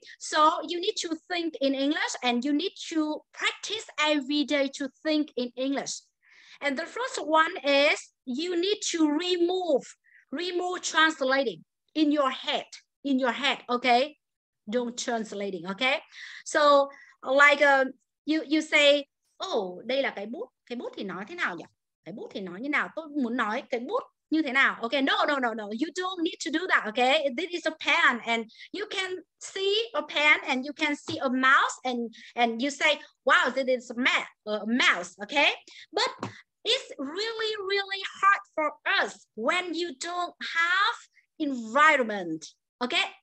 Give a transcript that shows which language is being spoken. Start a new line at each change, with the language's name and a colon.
English: So you need to think in English and you need to practice every day to think in English. And the first one is you need to remove translating in your head, okay? Don't translating, okay? So like you say,
Vietnamese: oh, đây là cái bút thì nói thế nào nhỉ? Cái bút thì nói như nào? Tôi muốn nói cái bút như thế nào?
English: Okay, no, you don't need to do that, okay? This is a pen and you can see a pen and you can see a mouse and you say, wow, this is a mouse, okay? But it's really, really hard for us when you don't have environment, okay?